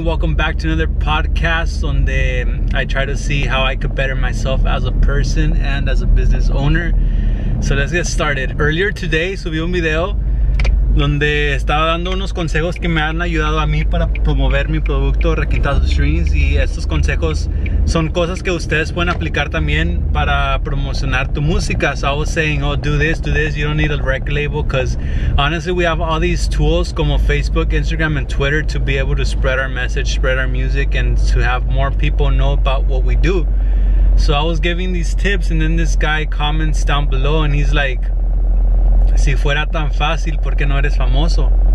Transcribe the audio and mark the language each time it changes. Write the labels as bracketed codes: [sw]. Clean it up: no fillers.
[en] Welcome back to another podcast [es] donde [en] I try to see how I could better myself as a person and as a business owner. So let's get started. Earlier today, [es] subí un video donde estaba dando unos consejos que me han ayudado a mí para promover mi producto Requintazo Streams, y estos consejos son cosas que ustedes pueden aplicar también para promocionar tu música. [en] So I was saying, oh, do this, you don't need a record label, because honestly we have all these tools [es] como [en] Facebook, Instagram and Twitter to be able to spread our message, spread our music, and to have more people know about what we do. So I was giving these tips, and then this guy comments down below and he's like, [es] si fuera tan fácil, ¿por qué no eres famoso?